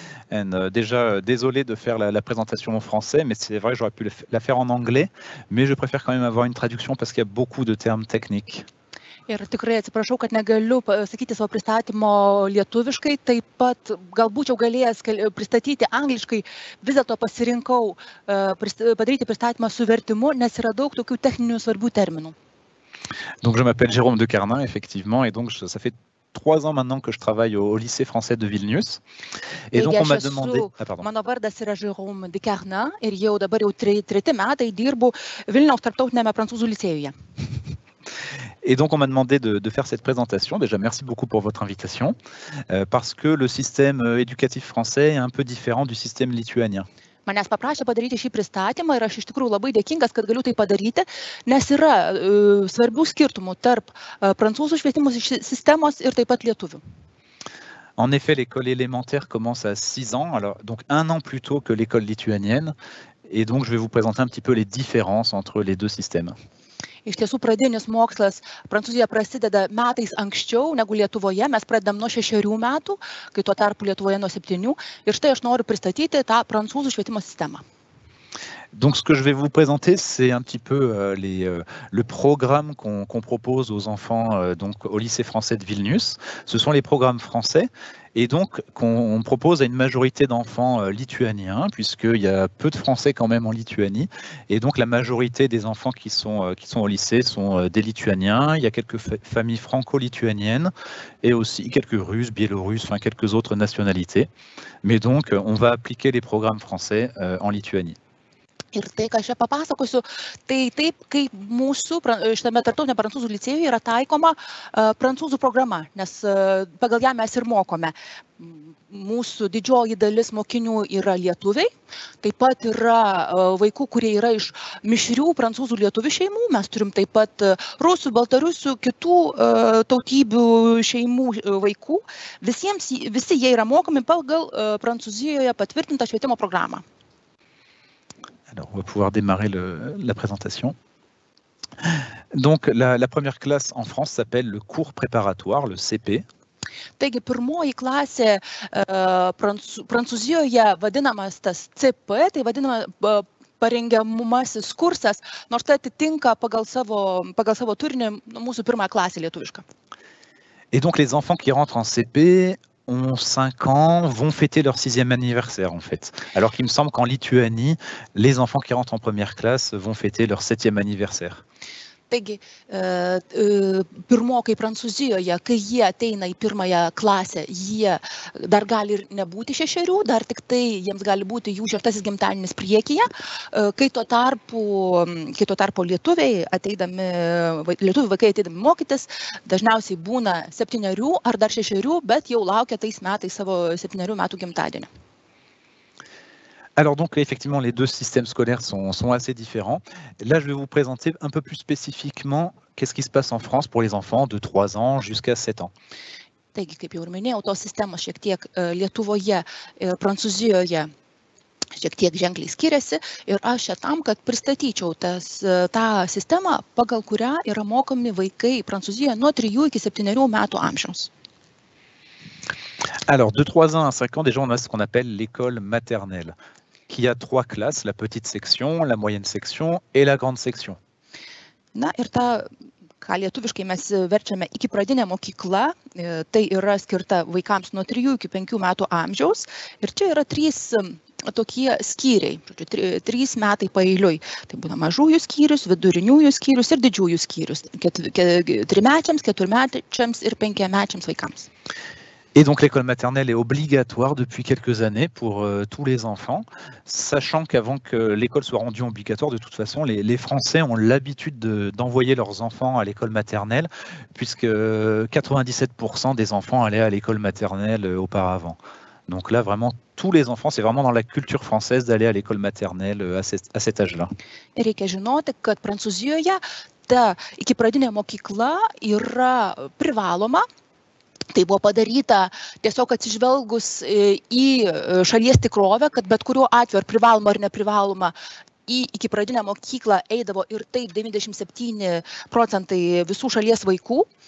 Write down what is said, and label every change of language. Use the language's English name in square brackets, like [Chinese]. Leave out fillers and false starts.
[French] And déjà, désolé de faire la présentation en français, mais c'est vrai, j'aurais pu la faire en anglais, mais je préfère quand même avoir une traduction parce qu'il y a beaucoup de termes techniques. [Lithuanian] Ir tikrai atsiprašau, kad negaliu sakyti savo pristatymo lietuviškai, taip pat galbūt jau galėjęs pristatyti angliškai, vis dėlto pasirinkau padaryti pristatymą su vertimu, nes yra daug tokių techninių svarbių terminų. [French] Donc je m'appelle Jérôme de Carnin, effectivement, et donc ça fait 3 ans maintenant que je travaille au lycée français de Vilnius. Et donc on m'a demandé... [Lithuanian] Mano vardas yra Jérôme de Carnin, ir jau dabar jau 3 metai dirbu Vilniaus tarptautiniame prancūzų licėjuje. [French] Et donc on m'a demandé de faire cette présentation, déjà merci beaucoup pour votre invitation, parce que le système éducatif français est un peu différent du système lituanien. [Lithuanian] Manęs paprašė padaryti šį pristatymą ir aš iš tikrųjų labai dėkingas, kad galiu tai padaryti, nes yra svarbių skirtumų tarp prancūzų švietimo sistemos ir taip pat lietuvių. [French] En effet, l'école élémentaire commence à 6 ans, alors, donc un an plus tôt que l'école lituanienne, et donc je vais vous présenter un petit peu les différences entre les deux systèmes. [Lithuanian] Iš tiesų, pradinis mokslas Prancūzijoje prasideda metais anksčiau negu Lietuvoje. Mes pradedam nuo 6 metų, kai tuo tarpu Lietuvoje nuo 7. Ir štai aš noriu pristatyti tą prancūzų švietimo sistemą. [French] Donc ce que je vais vous présenter, c'est un petit peu le programme qu'on propose aux enfants donc, au lycée français de Vilnius. Ce sont les programmes français et donc qu'on propose à une majorité d'enfants lituaniens, puisqu'il y a peu de français quand même en Lituanie. Et donc la majorité des enfants qui sont au lycée sont des lituaniens. Il y a quelques familles franco-lituaniennes et aussi quelques russes, biélorusses, enfin quelques autres nationalités. Mais donc on va appliquer les programmes français en Lituanie. [Lithuanian] Ir tai, ką aš čia papasakosiu, tai taip, kaip mūsų šitame tarptautinio prancūzų licėjuje yra taikoma prancūzų programa, nes pagal ją mes ir mokome. Mūsų didžioji dalis mokinių yra lietuviai, taip pat yra vaikų, kurie yra iš mišrių prancūzų lietuvių šeimų, mes turim taip pat rusų, baltarusių, kitų tautybių šeimų vaikų. Visi jie yra mokomi pagal Prancūzijoje patvirtintą švietimo programą. [French] Alors, on va pouvoir démarrer la présentation. Donc, la première classe en France s'appelle le cours préparatoire, le CP. [Lithuanian] Taigi, pirmoji klasė Prancūzijoje vadinamas tas CP, tai vadinamas parengiamumasis kursas, nors tai atitinka pagal savo turinį mūsų pirmą klasę lietuvišką. [French] Et donc, les enfants qui rentrent en CP ont 5 ans, vont fêter leur 6e anniversaire, en fait. Alors qu'il me semble qu'en Lituanie, les enfants qui rentrent en première classe vont fêter leur 7e anniversaire. [Lithuanian] Taigi, pirmokai Prancūzijoje, kai jie ateina į pirmąją klasę, jie dar gali ir nebūti 6, dar tik tai jiems gali būti jų 6-asis gimtadienis priekyje, kai tuo tarpu lietuvių vaikai ateidami mokytis, dažniausiai būna 7 ar dar 6, bet jau laukia tais metais savo 7 metų gimtadienio. [French] Alors donc, effectivement, les deux systèmes scolaires sont assez différents. Là, je vais vous présenter un peu plus spécifiquement qu'est-ce qui se passe en France pour les enfants de 3 ans jusqu'à 7 ans. [Lithuanian] Taigi, kaip jau minėjau, tos sistemos šiek tiek Lietuvoje ir Prancūzijoje šiek tiek ženkliai skiriasi. Ir aš tam, kad pristatyčiau tą sistemą, pagal kurią yra mokomi vaikai Prancūzijoje nuo 3 iki 7 metų amžiaus. [French] Alors, de 3 ans à 5 ans, déjà, on a ce qu'on appelle l'école maternelle, qui a 3 classes, la petite section, la moyenne section et la grande section. [Lithuanian] Na, ir ta, ką lietuviškai mes verčiame iki pradinė mokykla, tai yra skirta vaikams nuo 3 iki 5 metų amžiaus. Ir čia yra 3 tokie skyriai, žodžiu, trys metai paėliui. Tai būna mažųjų skyrius, viduriniųjų skyrius ir didžiųjų skyrius, trimečiams, keturmečiams ir penkiamečiams vaikams. [French] Et donc l'école maternelle est obligatoire depuis quelques années pour tous les enfants, sachant qu'avant que l'école soit rendue obligatoire, de toute façon, les Français ont l'habitude d'envoyer leurs enfants à l'école maternelle, puisque 97% des enfants allaient à l'école maternelle auparavant. Donc là, vraiment, tous les enfants, c'est vraiment dans la culture française d'aller à l'école maternelle à cet âge-là. Il faut savoir que la France, la première école est privée. [Lithuanian] Tai buvo padaryta tiesiog atsižvelgus į šalies tikrovę, kad bet kuriuo atveju ar privaloma ar neprivaloma į iki pradinę mokyklą eidavo ir taip 97% visų šalies vaikų.